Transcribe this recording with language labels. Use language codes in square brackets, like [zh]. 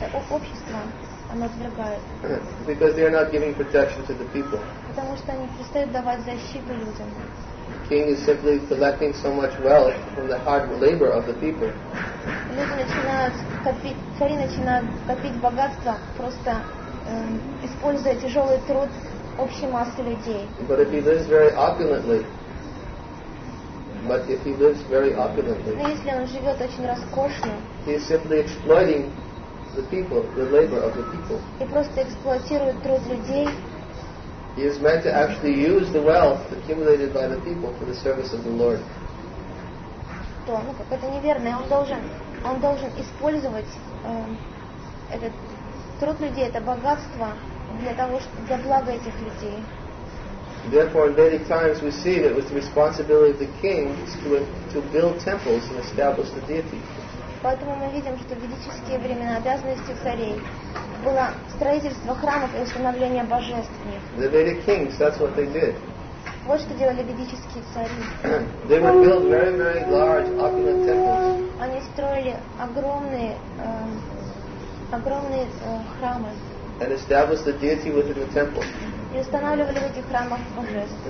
[ru] Общество оно отвергает. [en] Because they are not giving protection to the people. [ru] Потому что они перестают давать защиту людям. [en] The king is simply collecting so much wealth from the hard labor of the people. [ru] Люди начинают копить, цари начинают копить богатство, просто используя тяжелый труд общей массы людей. [en] But if he lives very opulently, but if he lives very opulently, [ru] но если он живет очень роскошно, [en] he is simply exploiting the people, the labor of the people. [ru] И просто эксплуатирует труд людей. [en] He is meant to actually use the wealth accumulated by the people for the service of the Lord. [ru] То, ну как это неверно. Он должен использовать этот труд людей, это богатство для того, для блага этих людей. [en] Therefore, in Vedic times, we see that it was the responsibility of the king to build temples and establish the deity. [ru] Поэтому мы видим, что в ведические времена обязанности царей было строительство храмов и установление божеств. [en] The Vedic kings, that's what they did. [ru] Вот что делали ведические цари. [en] They would build very, very large opulent temples. [ru] Они строили огромные храмы. [en] And established the deity within the temple. [ru] И устанавливали в этих храмах божеств.